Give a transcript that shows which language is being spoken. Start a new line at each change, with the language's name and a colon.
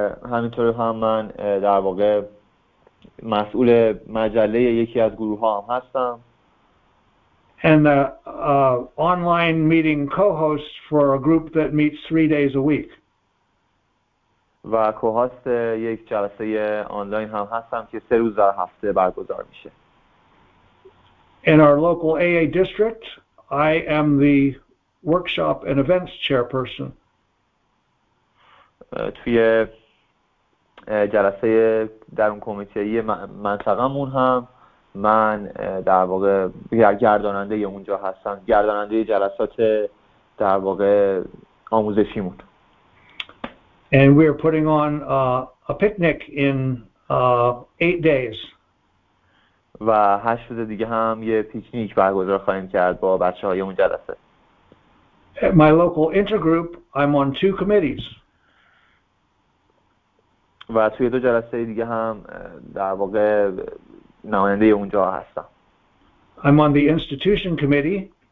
Persian: همینطور هم من در واقع مسئول مجله یکی از گروه ها هم هستم.
English: And the online meeting co-host for a group that meets 3 days a week.
Persian: و کوهاست یک جلسه آنلاین هم هستم که 3 روز در هفته برگزار میشه.
English: In our local AA district, I am the workshop and events chairperson.
Persian: توی جلسه در اون کمیته منطقه‌مون هم من در واقع گرداننده اونجا هستم، گرداننده جلسات در واقع آموزشیمون.
English: And we are putting on a picnic in 8 days.
Persian: و 8 روز دیگه هم یه پیکنیک برگزار خواهیم کرد با بچه‌های اون جلسه.
English: At my local intergroup, I'm on 2 committees.
Persian: و توی 2 جلسه دیگه هم در واقع نماینده اونجا هستم.
English: I'm on the institution committee.